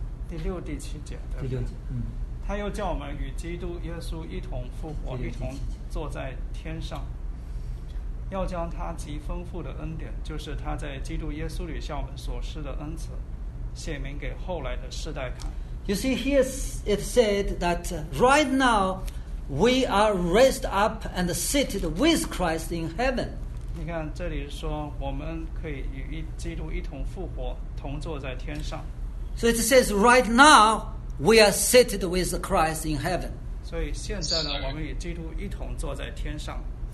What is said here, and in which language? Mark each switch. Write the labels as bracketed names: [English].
[Chinese] 第六、第七节的。第六节，他又叫我们与基督耶稣一同复活，一同坐在天上，要将他极丰富的恩典，就是他在基督耶稣里向我们所施的恩赐，显明给后来的世代看。 [English] You see, here it said that right now we are raised up and seated with Christ in heaven. [Chinese] 你看这里说我们可以与基督一同复活，同坐在天上。 [English] So it says right now we are seated with Christ in heaven. [Chinese] 所以现在呢，我们与基督一同坐在天上。